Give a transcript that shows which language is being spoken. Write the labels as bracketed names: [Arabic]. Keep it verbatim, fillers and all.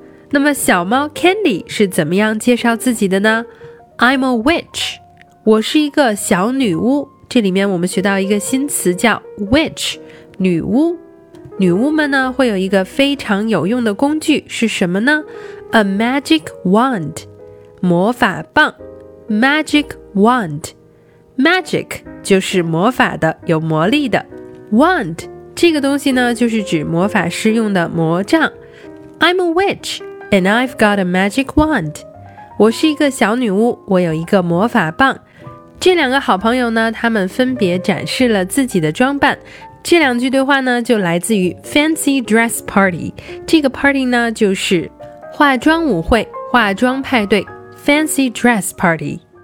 [Chinese] 那么小猫 Candy 是怎么样介绍自己的呢？ [English] I'm a witch， [Chinese] 我是一个小女巫。这里面我们学到一个新词叫 witch， 女巫。女巫们呢，会有一个非常有用的工具，是什么呢？ A magic wand， 魔法棒。 Magic wand，Magic 就是魔法的，有魔力的。 Wand 这个东西呢，就是指魔法师用的魔杖。 [English] I'm a witch and I've got a magic wand， [Chinese] 我是一个小女巫，我有一个魔法棒。这两个好朋友呢，他们分别展示了自己的装扮。这两句对话呢，就来自于 Fancy Dress Party。这个 party 呢，就是化妆舞会，化妆派对， Fancy Dress Party。